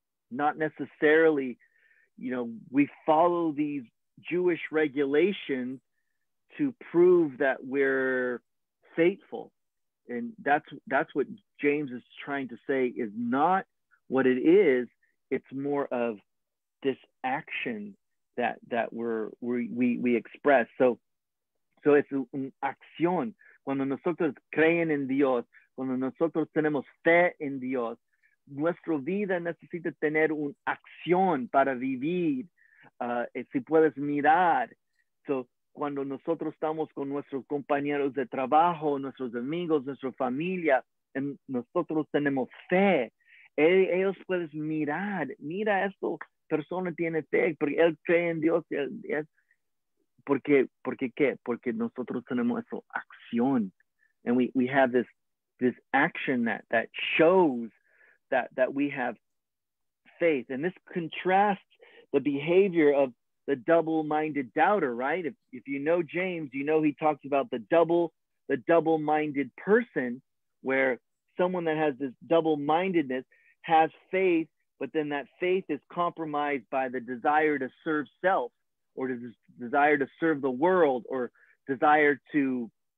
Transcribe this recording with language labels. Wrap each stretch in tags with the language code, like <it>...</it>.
<en>Not necessarily, you know, we follow these Jewish regulations to prove that we're faithful. And that's what James is trying to say is not what it is. It's more of this action that we express. So it's an acción.</en> <es>Cuando nosotros creen en Dios, cuando nosotros tenemos fe en Dios, nuestra vida necesita tener un acción para vivir. Si puedes mirar. So cuando nosotros estamos con nuestros compañeros de trabajo, nuestros amigos, nuestra familia, nosotros tenemos fe. Ellos pueden mirar, mira, esta persona tiene fe, porque él cree en Dios. ¿Por qué? Porque nosotros tenemos esa acción.</es> <en>And we have this action that shows that we have faith. And this contrasts the behavior of the double-minded doubter, right? If you know James, you know he talks about the double-minded person, where someone that has this double-mindedness has faith, but then that faith is compromised by the desire to serve self, or the desire to serve the world, or desire to</en>